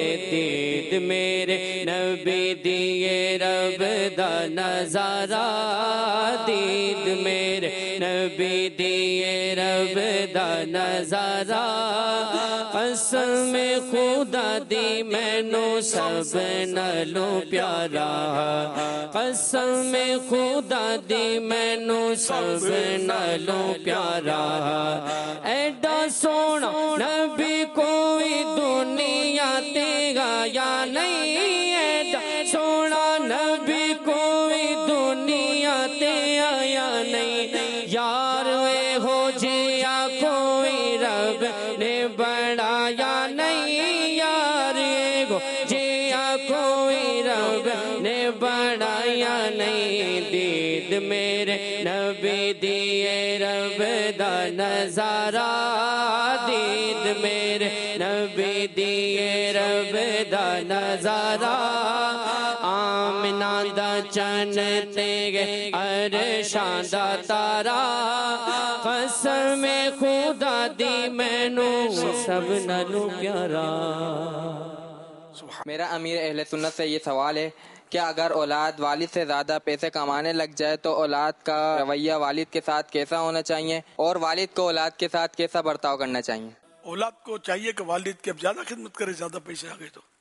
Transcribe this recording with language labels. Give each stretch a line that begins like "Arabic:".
Punjabi: دید میرے نبی دیے رب دا نظارہ, دید میرے نبی دیے رب دا نظارہ, قسم خدا دی مینو سب نالوں پیارا, قسم خدا دی مینو سب نالوں پیارا. ایڈا سونا نبی کوئی دنیا تے گایا نہیں, ایڈا سونا نبی کوئی دنیا تے آیا نہیں. یار اے ہو جیا کوئی رب نے بنایا نہیں, یار اے ہو جیا کوئی رب نے بنایا نہیں. دید میرے نبی دیے رب دا نظارہ, دید میرے نبی دیے رب دا نظارہ, آمنہ دا چن تے گے عرشان دا تارا, قسم خدا دی مینو سب نالو پیارا.
Urdu: میرا امیر اہل سنت سے یہ سوال ہے کیا اگر اولاد والد سے زیادہ پیسے کمانے لگ جائے تو اولاد کا رویہ والد کے ساتھ کیسا ہونا چاہیے, اور والد کو اولاد کے ساتھ کیسا برتاؤ کرنا چاہیے؟ اولاد کو چاہیے کہ والد کی اب زیادہ خدمت کرے, زیادہ پیسے آ گئے تو.